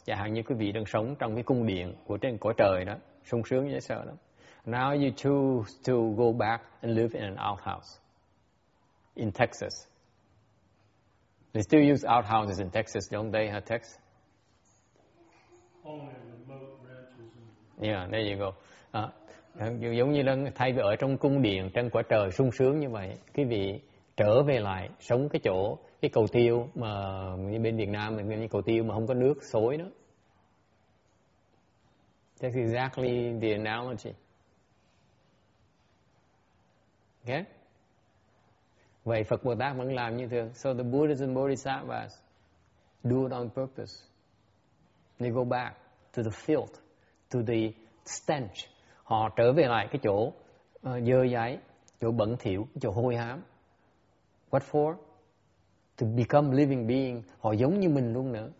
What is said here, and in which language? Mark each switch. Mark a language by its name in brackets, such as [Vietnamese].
[Vietnamese] Chẳng hạn như quý vị đang sống trong cái cung điện của trên cõi trời đó, sung sướng dễ sợ lắm. [English] Now you choose to go back and live in an outhouse in Texas. They still use outhouses in Texas, don't they, huh, Tex? Only remote ranches. Yeah, there you go. [Vietnamese] Giống như là thay vì ở trong cung điện trên quả trời sung sướng như vậy, quý vị trở về lại sống cái chỗ cái cầu tiêu mà như bên Việt Nam mình như cầu tiêu mà không có nước xối nữa. [English] That's exactly the analogy. Okay. [Vietnamese] Vậy Phật Bồ Tát vẫn làm như thường. [English] So the Buddhas and Bodhisattvas do it on purpose. They go back to the filth, to the stench. [Vietnamese] Họ trở về lại cái chỗ dơ dáy, chỗ bẩn thỉu, chỗ hôi hám. [English] What for? To become living being. [Vietnamese] Họ giống như mình luôn nữa.